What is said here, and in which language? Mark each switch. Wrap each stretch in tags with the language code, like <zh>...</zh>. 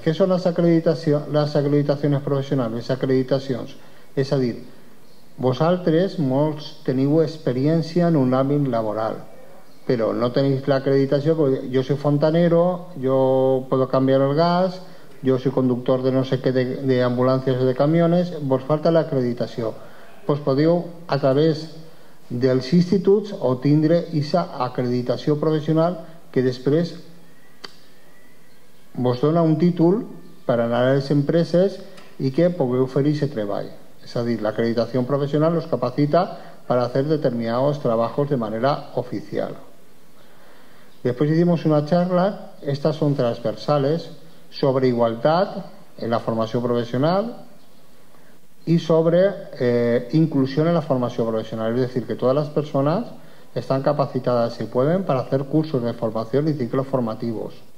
<ca>Què són les acreditacions professionals? Les acreditacions, és a dir, vosaltres molts teniu experiència en un àmbit laboral, però no teniu l'acreditació. Jo soc fontanero, jo puc canviar el gas,</ca> <es>yo soy conductor de no sé qué, de ambulancias o de camiones, vos falta la acreditación.</es> <ca>Pues podeu, a través dels instituts, o tindre esa acreditació professional que després vos dona un títol per anar a les empreses i que pugueu oferir aquest treball. És a dir, l'acreditació professional us capacita per a fer determinats treballs de manera oficial.</ca> <es>Després hicimos una charla, estas son transversales, sobre</es> <ca>igualtat en la formació professional</ca> <es>y sobre inclusión en la formación profesional, es decir, que todas las personas están capacitadas y pueden para hacer cursos de formación y ciclos formativos.</es>